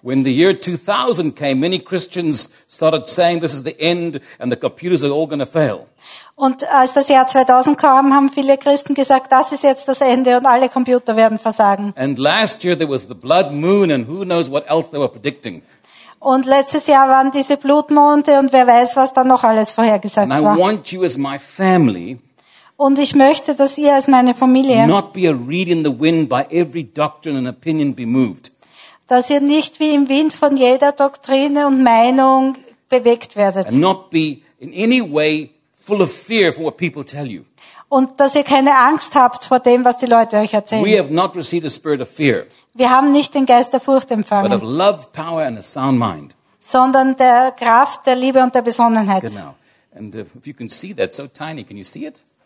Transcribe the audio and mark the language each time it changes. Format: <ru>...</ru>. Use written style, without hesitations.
<en>When the year 2000 came, many Christians started saying this is the end and the computers are all going to fail.</en> <de>Und als das Jahr 2000 kam, haben viele Christen gesagt, das ist jetzt das Ende und alle Computer werden versagen.</de> <en>And last year there was the blood moon and who knows what else they were predicting.</en> <de>Und letztes Jahr waren diese Blutmonde und wer weiß, was dann noch alles vorhergesagt</de> <en>and I</en> <de>war.</de> <en>Want you as my family,</en> <de>und ich möchte, dass ihr als meine Familie</de> <en>not be a reed in the wind by every doctrine and opinion be moved.</en> <de>Dass ihr nicht wie im Wind von jeder Doktrine und Meinung bewegt werdet.</de> <en>And not be in any way full of fear for what people tell you.</en> <de>Und dass ihr keine Angst habt vor dem, was die Leute euch erzählen.</de> <en>We have not received a spirit of fear.</en> <de>Wir haben nicht den Geist der Furcht empfangen.</de> <en>But of love, power and a sound mind.</en> <de>Sondern der Kraft, der Liebe und der Besonnenheit. Genau.</de> <en>And if you can see that, so tiny, can you see it?</en>